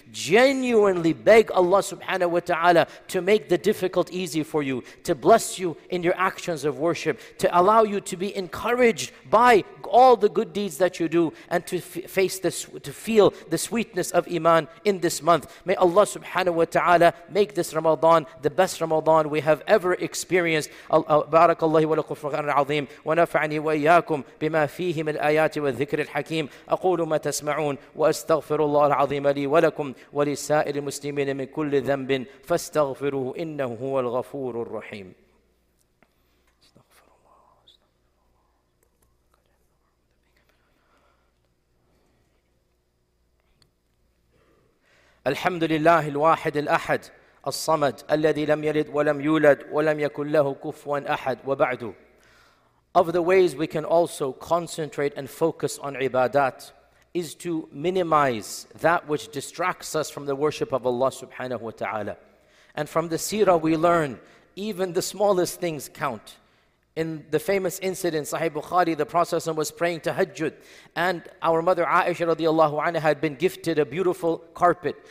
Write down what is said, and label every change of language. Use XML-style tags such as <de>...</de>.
<en>Genuinely beg Allah subhanahu wa ta'ala to make the difficult easy for you, to bless you in your actions of worship, to allow you to be encouraged by all the good deeds that you do, and to feel the sweetness of iman in this month. May Allah subhanahu wa ta'ala make this Ramadan the best Ramadan we have ever experienced.</en> <ar>بارك الله ولك الفرقان العظيم ونفعني وإياكم بما فيه من الآيات والذكر الحكيم أقول ما تسمعون وأستغفر الله العظيم لي ولكم ولسائر المسلمين من كل ذنب فاستغفروه إنه هو الغفور الرحيم. الحمد لله الواحد الأحد الصمد الذي لم يلد ولم يولد ولم يكن له كفوا أحد وبعد.</ar> <en>Of the ways we can also concentrate and focus on ibadat is to minimize that which distracts us from the worship of Allah subhanahu wa ta'ala. And from the seerah we learn, even the smallest things count. In the famous incident, Sahih Bukhari, the Prophet was praying tahajjud, and our mother Aisha radiallahu anha had been gifted a beautiful carpet.</en>